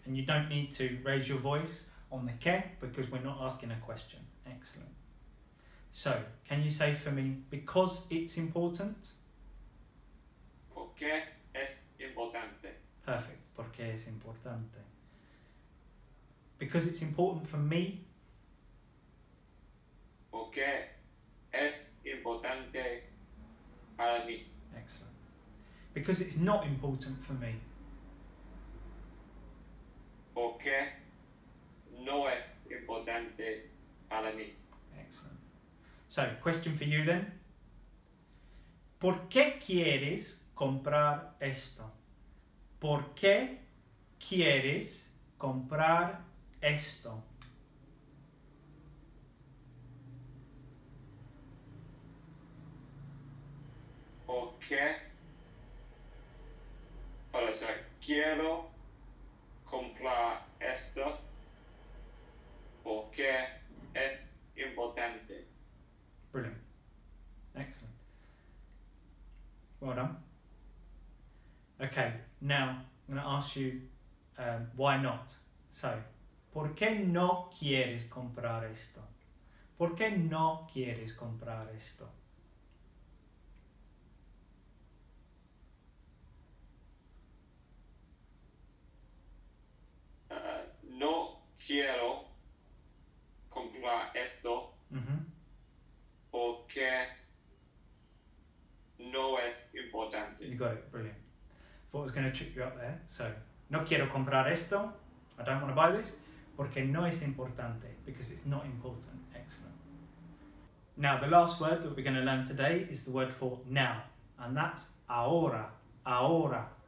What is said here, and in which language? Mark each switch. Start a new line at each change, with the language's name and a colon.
English: And you don't need to raise your voice on the qué because we're not asking a question. Excellent. So can you say for me, because it's important?
Spanish: ¿Por qué es importante?
English: Perfect. ¿Por qué es importante? Because it's important for me.
Spanish: Porque es importante para mí.
English: Excellent. Because it's not important for me.
Spanish: Porque no es importante para mí.
English: Excellent. So, question for you then.
Spanish: ¿Por qué quieres comprar esto? ¿Por qué quieres comprar esto?
English: Okay. Oh, sorry.
Spanish: Quiero comprar esto porque es importante.
English: Brilliant. Excellent. Well done. Okay, now I'm going to ask you why not.
Spanish: So, ¿por qué no quieres comprar esto? ¿Por qué no quieres comprar esto? No quiero comprar esto porque no es importante.
English: You got it, brilliant. Thought I was going to trip you up there.
Spanish: So, no quiero comprar esto.
English: I don't want to buy this.
Spanish: Porque no es importante.
English: Because it's not important. Excellent. Now, the last word that we're going to learn today is the word for now. And that's ahora. Ahora.